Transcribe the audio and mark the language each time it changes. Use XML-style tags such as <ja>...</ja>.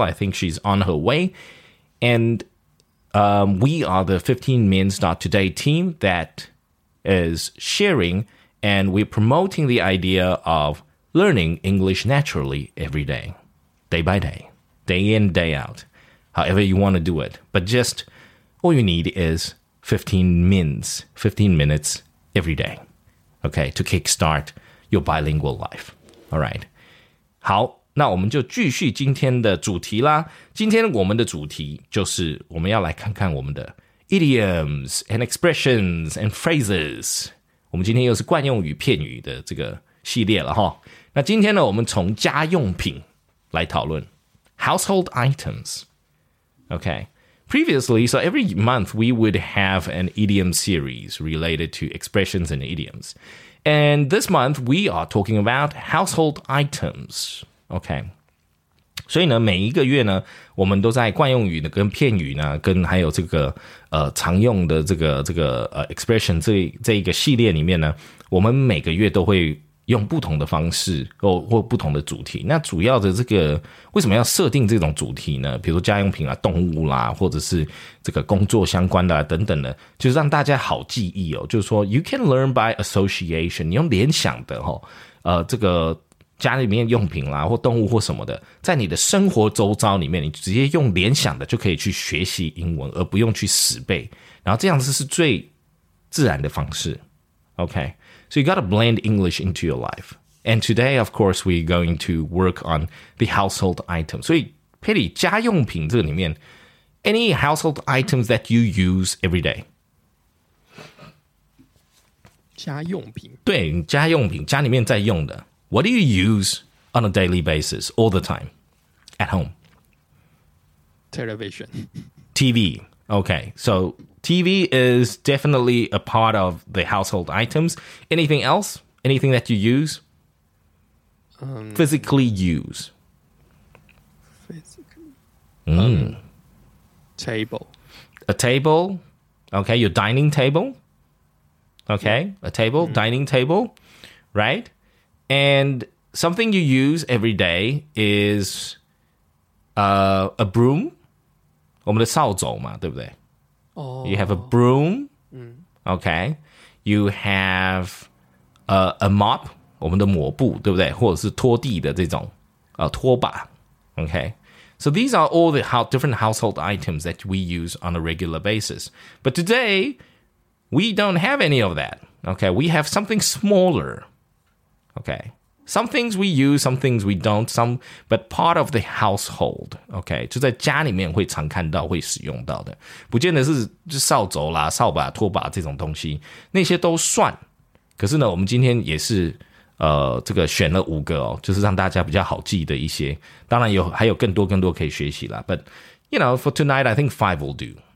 <en>I think she's on her way. And we are the 15minutes.today team that is sharing, and we're promoting the idea of learning English naturally every day, day by day, day in, day out, however you want to do it. But just all you need is 15 minutes every day, okay, to kickstart your bilingual life. All right.</en> <zh>好，那我们就继续今天的主题啦。今天我们的主题就是我们要来看看我们的</zh> <en>idioms and expressions and phrases。</en> <zh>我们今天又是惯用语片语的这个系列了哈。那今天呢，我们从家用品来讨论</zh> <en>household items。 Okay, previously, so every month we would have an idiom series related to expressions and idioms. And this month we are talking about household items.</en> <zh>Okay, 所以呢，每一个月呢，我们都在惯用语呢跟片语呢，跟还有这个常用的这个expression 这一个系列里面呢，我们每个月都会用不同的方式或不同的主题。那主要的这个为什么要设定这种主题呢？比如说家用品啊、动物啦，或者是这个工作相关的、等等的，就是让大家好记忆哦。就是说 ，</zh> <en>you can learn by association，</en> <zh>你用联想的哦，这个。家里面用品啦或动物或什么的，在你的生活周遭里面，你直接用联想的就可以去学习英文，而不用去死背，然后这样子是最自然的方式。</zh> <en>OK, so you gotta blend English into your life, and today of course we're going to work on the household items.</en> <zh>所以</zh> <en>Petty,</en> <zh>家用品这个里面</zh> <en>any household items that you use every day?</en> <zh>家用品，对，家用品，家里面在用的。</zh> <en>What do you use on a daily basis, all the time, at home? Television. TV. Okay, so TV is definitely a part of the household items. Anything else? Anything that you use? Physically use. Physically. Table. A table. Okay, your dining table. Okay, a table, dining table, right? And something you use every day is a broom.</en> <zh>我们的扫帚嘛，对不对？</zh> <en>You have a broom. Okay. You have a mop.</en> <zh>我们的抹布，对不对？或者是拖地的这种拖把。</zh> <en>Okay. So these are all the different household items that we use on a regular basis. But today, we don't have any of that. Okay. We have something smaller. Okay, some things we use, some things we don't, but part of the household, okay,</en> <zh>就在家里面会常看到会使用到的，不见得是就扫帚啦、扫把、拖把这种东西，那些都算，可是呢我们今天也是这个选了五个哦，就是让大家比较好记的一些，当然有还有更多更多可以学习啦。</zh> <en>But you know, for tonight I think five will do.</en>